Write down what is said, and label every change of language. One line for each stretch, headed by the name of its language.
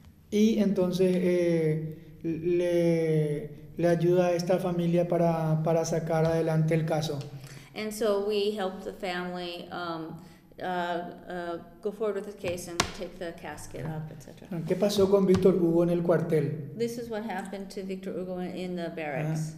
Spanish: Y entonces le ayuda a esta familia para sacar adelante el caso.
English: And so we helped the family go forward with the case and take the casket up, etc.
Spanish: ¿Qué pasó con Víctor Hugo en el cuartel?
English: This is what happened to Victor Hugo in the barracks.